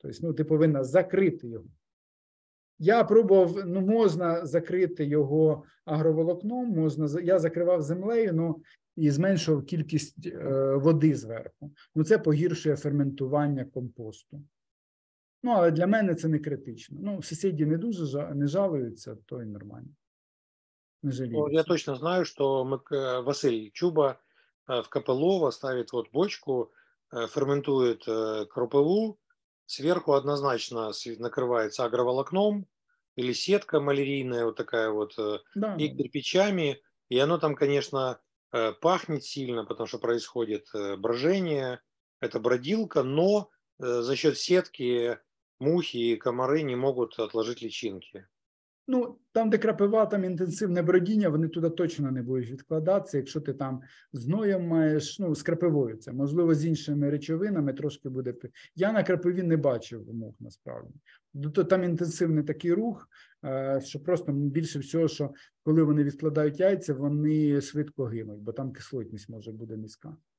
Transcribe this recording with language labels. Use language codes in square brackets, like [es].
[uk] Тобто, ну, ти повинна закрити його. Я пробував, ну, можна закрити його агроволокном, можна, я закривав землею, ну, і зменшував кількість води зверху. Ну, це погіршує ферментування компосту. Ну, але для мене це не критично. Ну, сусіди не дуже не жалуються, то й нормально. [ru] Я точно знаю, что Василь Чуба в Копылово ставит вот бочку, ферментует крапиву, сверху однозначно накрывается агроволокном или сетка малярийная вот такая вот, да. И кирпичами, и оно там, конечно, пахнет сильно, потому что происходит брожение, это бродилка, но за счет сетки мухи и комары не могут отложить личинки. [uk] Ну, там, де крапива, там інтенсивне бродіння, вони туди точно не будуть відкладатися, якщо ти там зноєм маєш, ну, з крапивою це. Можливо, з іншими речовинами трошки буде. Я на крапиві не бачив мух, насправді. Там інтенсивний такий рух, що просто більше всього, що коли вони відкладають яйця, вони швидко гинуть, бо там кислотність може бути низька.